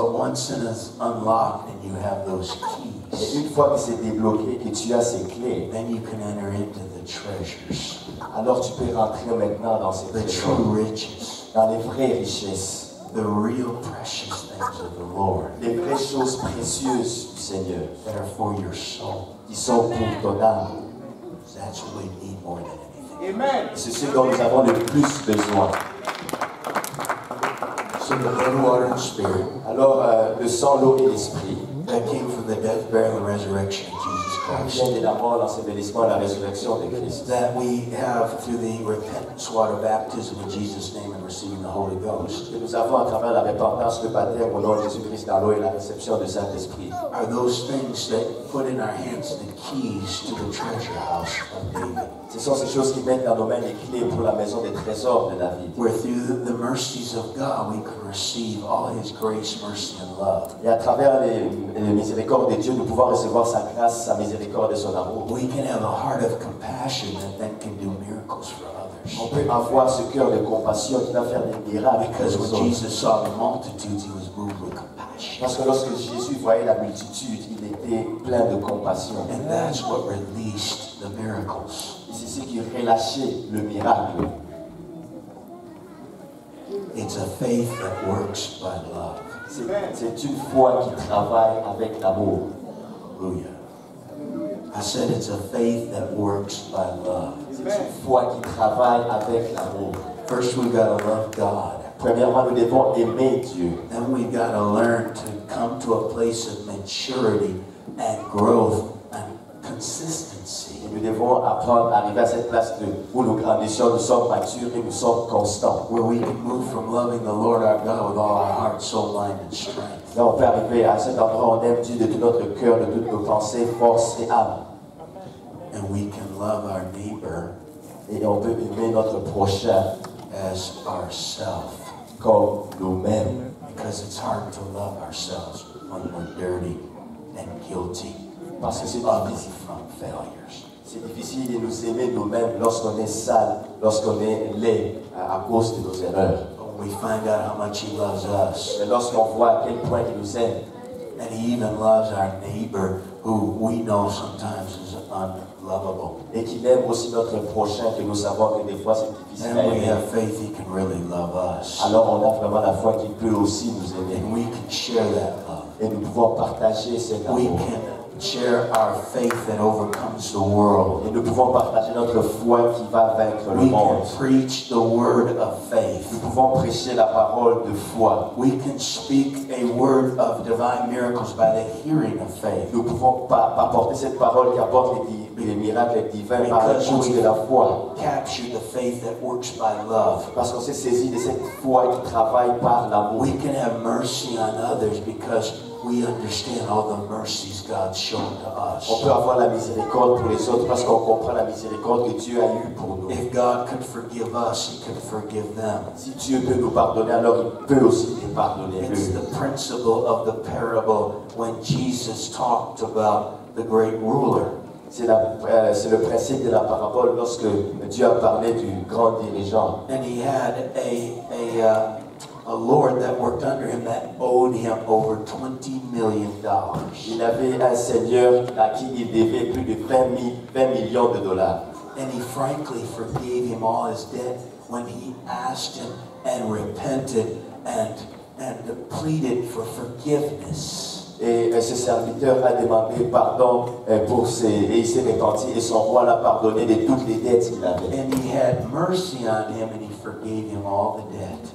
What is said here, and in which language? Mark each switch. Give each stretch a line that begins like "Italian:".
English: But once it is unlocked and you have those keys,
French: et une fois que c'est débloqué, que tu as ces clés,
English: then you can enter into the treasures.
French: Alors tu peux rentrer maintenant dans ces
English: true riches,
French: dans les vraies richesses,
English: the real precious things of the Lord,
French: les vraies choses précieuses du Seigneur,
English: that are for your soul.
French: Qui sont pour ton âme.
English: That's what we need more than anything. Amen.
French: C'est ce dont nous avons le plus besoin.
English: So the blood, water, and spirit.
French: Alors le sang, l'eau et l'esprit.
English: That came from the death, burial, and resurrection of Jesus Christ.
French: Vient de la mort, l'ensevelissement et la résurrection de Christ.
English: That we have through the repentance water baptism in Jesus' name and receiving the Holy Ghost.
French: Que nous avons à travers la repentance, le baptême au nom de Jésus Christ dans l'eau et la réception du Saint-Esprit.
English: Are those things that put in our hands the keys to the treasure house of David?
French: Ce sont ces choses qui mettent dans nos mains les clés pour la maison des trésors de David.
English: Where through the mercies of God we can receive all His grace, mercy, and love.
French: Et à travers les miséricordes de Dieu, nous pouvons recevoir sa grâce, sa miséricorde et son amour.
English: We can have a heart of compassion that then can do miracles for others.
French: On peut avoir ce cœur de compassion qui va faire des miracles.
English: Because when Jesus saw the multitudes, He was moved with compassion.
French: Parce que lorsque Jésus voyait la multitude, il était plein de compassion.
English: And that's what released the miracles.
French: Et c'est ce qui relâchait le miracle.
English: It's a faith that works by love.
French: C'est une foi qui travaille avec l'amour.
English: Hallelujah. I said it's a faith that works by love.
French: C'est une foi qui travaille avec l'amour.
English: First we gotta love God.
French: Premièrement, nous devons aimer Dieu.
English: Then we gotta learn to come to a place of maturity and growth and consistency.
French: Et nous devons apprendre à arriver à cette place de, où nous grandissons, nous sommes matures et nous sommes constants.
English: Where we can move from loving the Lord our God with all our heart, soul, mind, and strength.
French: Là, on peut arriver à cet endroit où on aime Dieu de tout notre cœur, de toutes nos pensées, force et âme.
English: And we can love our neighbor,
French: et on peut aimer notre prochain,
English: as ourself,
French: comme nous-mêmes.
English: Because it's hard to love ourselves when we're dirty and guilty.
French: Parce que c'est difficile
English: from failures.
French: C'est difficile de nous aimer nous-mêmes lorsqu'on est sale, lorsqu'on est laid à cause de nos erreurs.
English: We find out how much He loves us.
French: Et lorsqu'on voit à quel point il nous aime.
English: And He even loves our neighbor who we know sometimes is unlovable.
French: Et qu'il aime aussi notre prochain que nous savons que des fois c'est difficile.
English: Then we have faith He can really love us.
French: Alors on a vraiment la foi qu'il peut aussi nous aimer.
English: And we can share that love.
French: Et nous pouvons partager cet amour.
English: We can share our faith that overcomes the world.
French: Et nous pouvons partager notre foi qui va vaincre le monde.
English: We can preach the word of faith.
French: Nous pouvons prêcher la parole de foi.
English: We can speak a word of divine miracles by the hearing of faith.
French: Nous pouvons apporter cette parole qui apporte les miracles divins par l'écoute de la foi.
English: Capture the faith that works by love.
French: Parce qu'on s'est saisi de cette foi qui travaille par l'amour.
English: We can have mercy on others because we understand all the mercies God shown to us.
French: On peut avoir la miséricorde pour les autres parce qu'on comprend la miséricorde que Dieu a eu pour nous.
English: If God can forgive us, He can forgive them.
French: Si Dieu peut nous pardonner, alors il peut aussi nous pardonner.
English: It's the principle of the parable when Jesus talked about the great ruler.
French: C'est le principe de la parabole lorsque Dieu a parlé du grand dirigeant.
English: And he had a lord that worked under him that owed him over $20 million.
French: Il avait un seigneur à qui il devait plus de 20 millions de dollars.
English: And he frankly forgave him all his debt when he asked him and repented and pleaded for forgiveness.
French: Et ce serviteur a demandé pardon pour ses et il s'est repenti et son roi l'a pardonné de toutes les dettes qu'il avait.
English: And he had mercy on him and he forgave him all the debt.